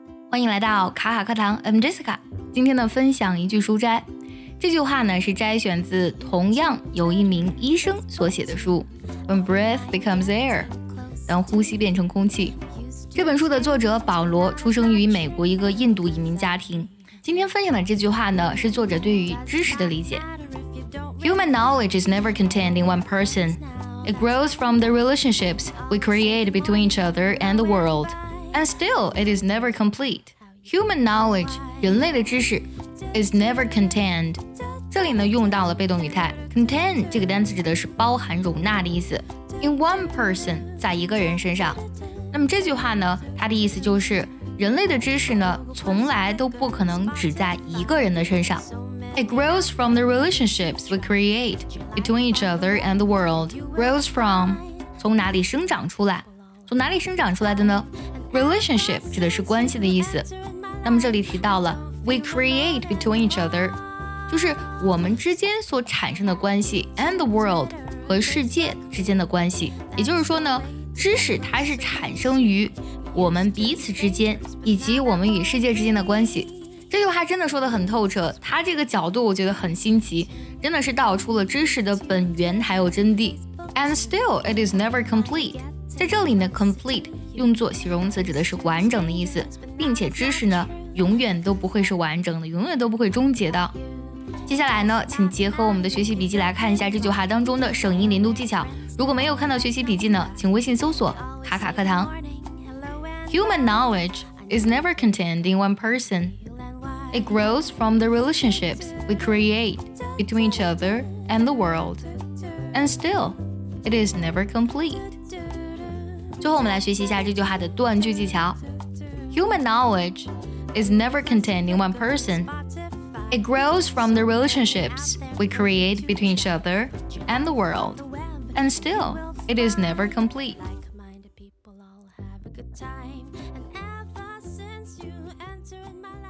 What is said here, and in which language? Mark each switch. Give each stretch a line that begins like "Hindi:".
Chinese: 欢迎来到卡卡课堂 ，
English: I'm Jessica。
Chinese: 今天的分享一句书摘，这句话呢是摘选自同样由一名医生所写的书《When Breath Becomes Air》，当呼吸变成空气。这本书的作者保罗出生于美国一个印度移民家庭。今天分享的这句话呢，是作者对于知识的理解。
English: Human knowledge is never contained in one person. It grows from the relationships we create between each other and the world. And still, it is never complete. Human knowledge,
Chinese: 人类的知识
English: is never contained.
Chinese: 这里呢用到了被动语态 contain 这个单词指的是包含容纳的意思
English: in one person,
Chinese: 在一个人身上。那么这句话呢它的意思就是人类的知识呢从来都不可能只在一个人的身上。
English: It grows from the relationships we create between each other and the world. Grows from
Chinese: 从哪里生长出来？从哪里生长出来的呢？ Relationship 指的是关系的意思。那么这里提到了
English: we create between each other，
Chinese: 就是我们之间所产生的关系 ，
English: and the world
Chinese: 和世界之间的关系。也就是说呢，知识它是产生于我们彼此之间以及我们与世界之间的关系。这句话真的说得很透彻，他这个角度我觉得很新奇，真的是道出了知识的本源还有真谛。
English: And still, it is never complete.
Chinese: 在这里呢 ，complete 用作形容词指的是完整的意思，并且知识呢永远都不会是完整的，永远都不会终结的。接下来呢，请结合我们的学习笔记来看一下这句话当中的省音连读技巧。如果没有看到学习笔记呢，请微信搜索“卡卡课堂”。
English: Human knowledge is never contained in one person. It grows from the relationships we create between each other and the world. And still, it is never complete.
Chinese: 最后我们来学习一下这句话的断句技巧。
English: Human knowledge is never contained in one person. It grows from the relationships we create between each other and the world. And still, it is never complete. Like-minded people all have a good time. And ever since you entered my